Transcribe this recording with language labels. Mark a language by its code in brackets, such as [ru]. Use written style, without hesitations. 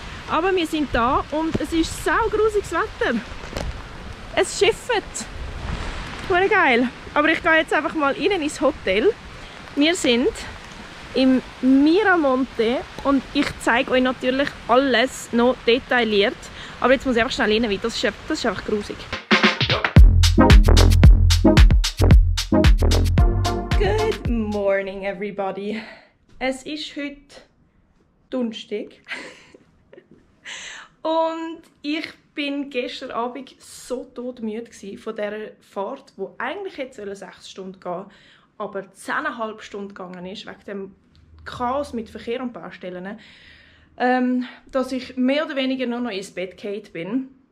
[de] Aber wir sind da und es ist saugrusiges Wetter. Es schifft. Voll geil. Aber ich gehe jetzt einfach mal rein ins Hotel. Wir sind im Miramonte und ich zeige euch natürlich alles noch detailliert. Aber jetzt muss ich einfach schnell rein, weil das ist einfach grusig. [en] Good morning, everybody. [de] Es ist heute Donnerstag. Und ich bin gestern Abend so todmüde von dieser Fahrt, die eigentlich jetzt 6 Stunden gehen soll, aber 10,5 Stunden gegangen ist, wegen dem Chaos mit Verkehr und Baustellen, dass ich mehr oder weniger nur noch ins Bett gefallen bin.